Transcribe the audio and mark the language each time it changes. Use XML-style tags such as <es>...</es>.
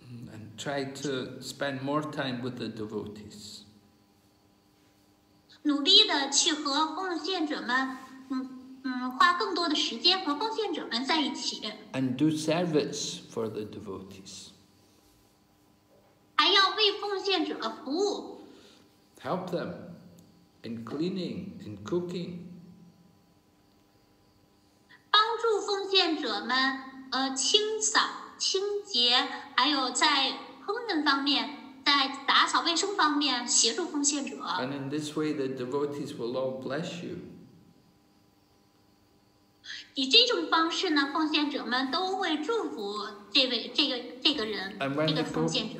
<en>And try to spend more time with the devotees.</en> <zh>努力地去和奉献者们，花更多的时间和奉献者们在一起。</zh> <en>And do service for the devotees.</en> <zh>还要为奉献者服务。</zh> <en>Help them in cleaning, in cooking.</en> <zh>帮助奉献者们清扫清洁，还有在烹饪方面，在打扫卫生方面协助奉献者。</zh> <en>And in this way, the devotees will all bless you.</en> <zh>以这种方式呢，奉献者们都会祝福这个人，这个奉献者。</zh>